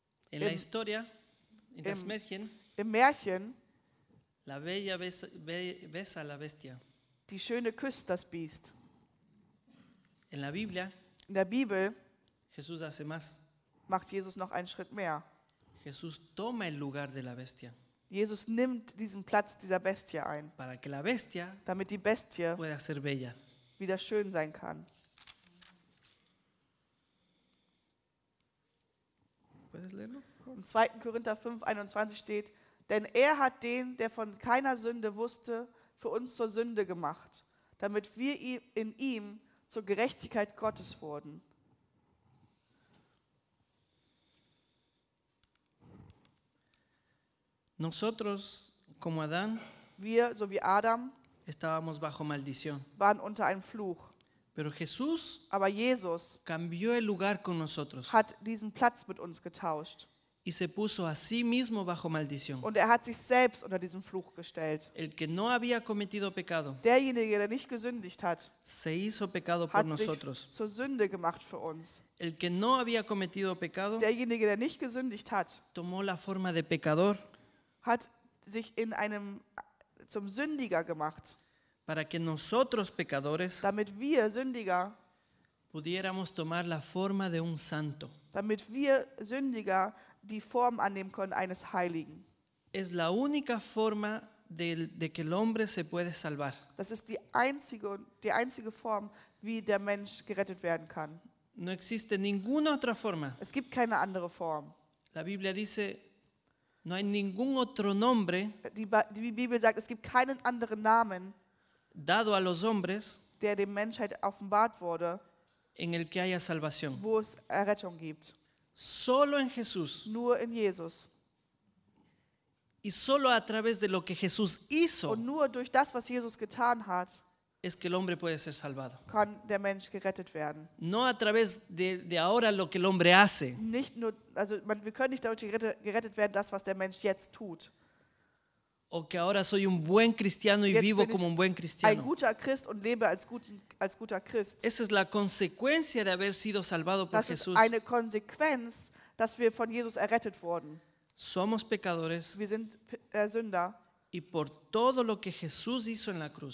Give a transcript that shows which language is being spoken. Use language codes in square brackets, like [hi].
[de] In der Historia, in das Märchen. Im Märchen. [es] La bella besa la bestia. [de] Die Schöne küsst das Biest. [es] In la Biblia. [de] In der Bibel. [es] Jesus hace más. [de] Macht Jesus noch einen Schritt mehr. [es] Jesus toma el lugar de la bestia. [de] Jesus nimmt diesen Platz dieser Bestie ein, [es] para que la bestia, [de] damit die Bestie [es] pueda ser bella, [de] wieder schön sein kann. In 2. Korinther 5,21 steht, denn er hat den, der von keiner Sünde wusste, für uns zur Sünde gemacht, damit wir in ihm zur Gerechtigkeit Gottes wurden. [es] Nosotros, como Adán, [de] wir, so wie Adam, [es] estábamos bajo maldición. [de] Waren unter einem Fluch. [es] Pero Jesús, [de] aber Jesus [es] cambió el lugar con nosotros. [de] Hat diesen Platz mit uns getauscht. [es] y se puso a sí mismo bajo maldición. [de] Und er hat sich selbst unter diesen Fluch gestellt. [es] El que no había cometido pecado, [de] derjenige, der nicht gesündigt hat, [es] se hizo pecado por nosotros. [de] Hat sich zur Sünde gemacht für uns. [es] El que no había cometido pecado, [de] derjenige, der nicht gesündigt hat, [es] tomó la forma de pecador, [de] hat sich in einem zum Sündiger gemacht, [es] para que nosotros pecadores, [de] damit wir Sündiger, [es] pudiéramos tomar la forma de un santo, [de] damit wir Sündiger die Form annehmen können eines Heiligen. [es] Es la única forma de que el hombre se puede salvar. [de] Das ist die einzige Form, wie der Mensch gerettet werden kann. [es] No existe ninguna otra forma. [de] Es gibt keine andere Form. [es] La Biblia dice, no hay ningún otro nombre. [de] Die Bibel sagt, es gibt keinen anderen Namen, [es] dado a los hombres, [de] der dem Menschheit offenbart wurde, [es] en el que haya salvación. [de] Wo es Errettung gibt. [es] Solo en Jesús. [de] Nur in Jesus. [es] Y solo a través de lo que Jesús hizo. [de] Und nur durch das, was Jesus getan hat. [es] Es que el hombre puede ser salvado. [de] Kann der Mensch gerettet werden. [es] No a través de ahora lo que el hombre hace. [de] Nicht nur, also man, wir können nicht dadurch gerettet werden, das, was der Mensch jetzt tut. [es] O que ahora soy un buen cristiano y [de] jetzt [es] vivo como un buen cristiano. [de] Ein guter Christ und lebe als guter Christ. [es] Esa es la consecuencia de haber sido salvado por Jesús. [de] Das ist eine Konsequenz, dass wir von Jesus errettet wurden. [es] Somos pecadores. [de] Wir sind Sünder. [es] Y por todo lo que Jesús hizo en la cruz.